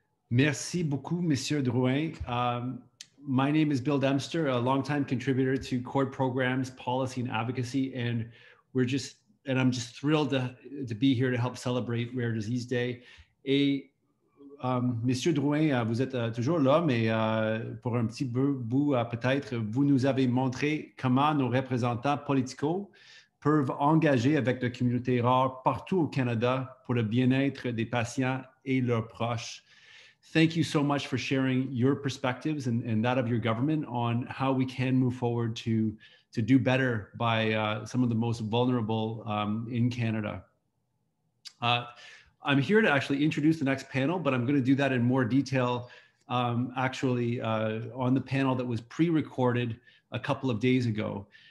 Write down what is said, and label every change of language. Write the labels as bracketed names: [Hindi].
[French] Merci beaucoup, Monsieur Drouin. [English] My name is Bill Dempster, a longtime contributor to CORD programs, policy and advocacy. And I'm just thrilled to be here to help celebrate Rare Disease Day. [French] Monsieur Drouin, vous êtes toujours là, mais pour un petit bout, peut-être, vous nous avez montré comment nos représentants politicaux peuvent engager avec la communauté rare partout au Canada pour le bien-être des patients et leurs proches. [English] Thank you so much for sharing your perspectives and that of your government on how we can move forward to do better by some of the most vulnerable in Canada. I'm here to actually introduce the next panel, but I'm going to do that in more detail on the panel that was pre-recorded a couple of days ago.